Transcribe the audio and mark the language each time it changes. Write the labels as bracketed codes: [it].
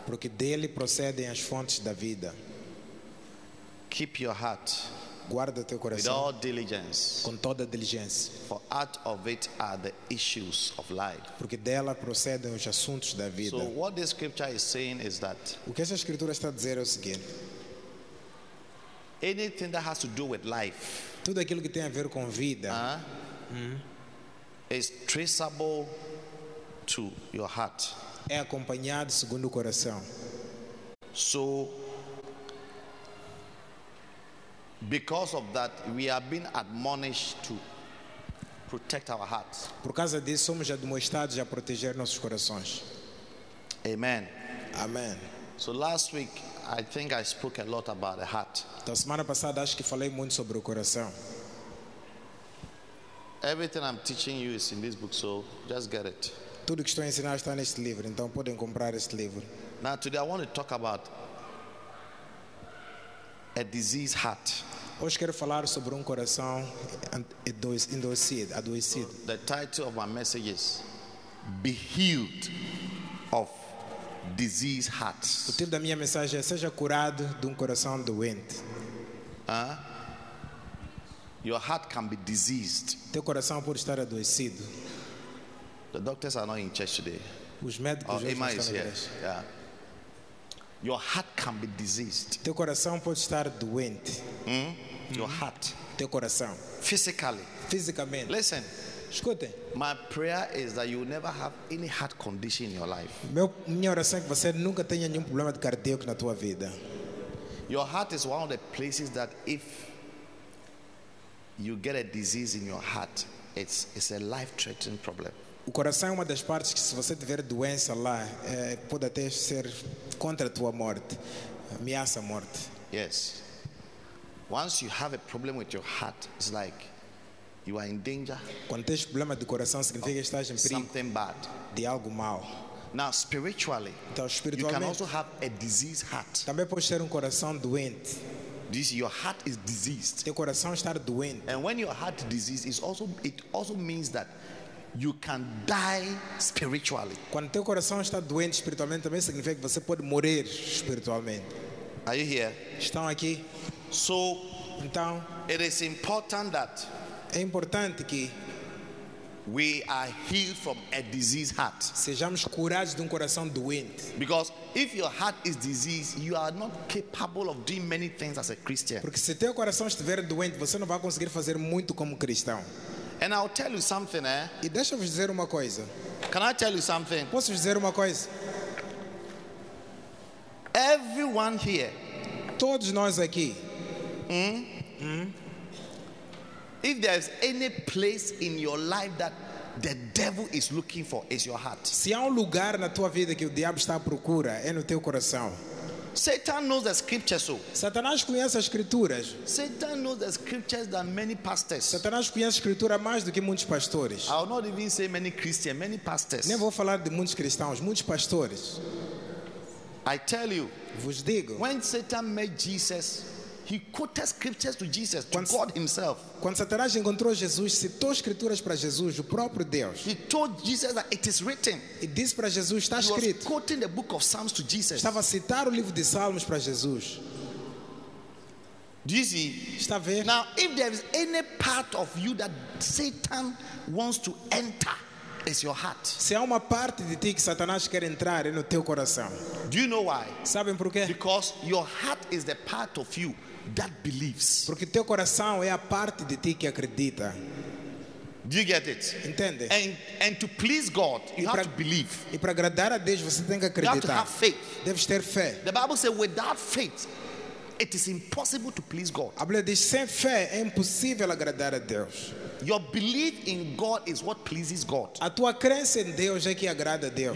[pt] Porque dele procedem as fontes da vida. [en] Keep your heart. [pt] Guarda teu coração. [en] With all diligence. [pt] Com toda diligência. [en] For out of it are the issues of life. [pt] Porque dela procedem os assuntos da vida. [en] So what the scripture is saying is that. [pt] O que essa escritura está a dizer é o seguinte. [en] Anything that has to do with life. [pt] Tudo aquilo que tem a ver com vida. [en] Is traceable to your heart. [pt] É acompanhado segundo o coração. [en] So, because of that, we are being admonished to protect our hearts. [pt] Por causa disso, somos admoestados a proteger nossos corações. [en] Amen. [pt] Amen. [en] So last week, I think I spoke a lot about the heart. [pt] Então, semana passada, acho que falei muito sobre o coração. [en] Everything I'm teaching you is in this book, so just get it. [pt] Tudo que estou a ensinar está neste livro, então podem comprar este livro. [en] Now today I want to talk about a diseased heart. [pt] Hoje quero falar sobre coração adoecido. [en] So the title of my message is Be Healed of Diseased Hearts. [pt] O título da minha mensagem é Seja curado de coração doente. [en] Your heart can be diseased. [pt] Teu coração pode estar adoecido. [en] The doctors are not in church today. [pt] Os médicos hoje não estão na igreja. [en] Yeah. Your heart can be diseased. [pt] Teu coração pode estar doente. [en] Your heart. [pt] Teu coração. [en] Physically. [pt] Fisicamente. [en] Listen. [pt] Escute. [en] My prayer is that you never have any heart condition in your life. [pt] Minha oração é que você nunca tenha nenhum problema de cardíaco na tua vida. [en] Your heart is one of the places that if you get a disease in your heart, it's a life-threatening problem. [pt] O coração é uma das partes que se você tiver doença lá, pode até ser contra a tua morte, ameaça a morte. [en] Yes. Once you have a problem with your heart, it's like you are in danger. [pt] Quando tens problema de coração, significa que estás em perigo. [en] Something bad. [pt] De algo mal. [en] Now spiritually, [pt] então, espiritualmente, [en] you can also have a diseased heart. [pt] Também pode ter coração doente. [en] This, your heart is diseased. [pt] Teu coração está doente. [en] And when your heart is diseased, it also means that you can die spiritually. [pt] Quando teu coração está doente espiritualmente, também significa que você pode morrer espiritualmente. [en] Are you here? [pt] Estão aqui? [en] So, [pt] então, [en] it is important that [pt] é importante que [en] we are healed from a diseased heart. [pt] Sejamos curados de coração doente. [en] Because if your heart is diseased, you are not capable of doing many things as a Christian. [pt] Porque se teu coração estiver doente, você não vai conseguir fazer muito como cristão. [en] And I'll tell you something, eh? [pt] E deixa-me dizer uma coisa. [en] Can I tell you something? [pt] Posso dizer uma coisa? [en] Everyone here. [pt] Todos nós aqui. [en] If there's any place in your life that the devil is looking for, it's your heart. [pt] Se há lugar na tua vida que o diabo está à procura, é no teu coração. [en] Satan knows the scriptures. So. [pt] Satanás conhece as escrituras. [en] Satan knows the scriptures than many pastors. [pt] Satanás conhece a escritura mais do que muitos pastores. [en] I'll not even say many Christians, many pastors. [pt] Nem vou falar de muitos cristãos, muitos pastores. [en] I tell you. [pt] Vos digo. [en] When Satan met Jesus, he quoted scriptures to Jesus, to God himself. [pt] Quando Satanás encontrou Jesus, citou escrituras para Jesus, o próprio Deus. [en] He told Jesus that it is written. [pt] E disse para Jesus, está [en] he [pt] escrito. [en] Was quoting the book of Psalms to Jesus. [pt] Estava a citar o livro de Salmos para Jesus. [en] Do you see? [pt] Está a ver? [en] Now, if there is any part of you that Satan wants to enter, it's your heart. [pt] Se há uma parte de ti que Satanás quer entrar, é no teu coração. [en] Do you know why? [pt] Sabem por quê? [en] Because your heart is the part of you that believes. [pt] Porque teu coração é a parte de ti que acredita. [en] Do you get it? [pt] Entende? [en] And to please God, you have to believe. [pt] E para agradar a Deus, você tem que acreditar. [en] You have to have faith. [pt] Deves ter fé. [en] The Bible says, without faith, it is impossible to please God. [pt] A Bíblia diz, sem fé é impossível agradar a Deus. [en] Your belief in God is what pleases God. [pt] A tua crença em Deus é que agrada a Deus.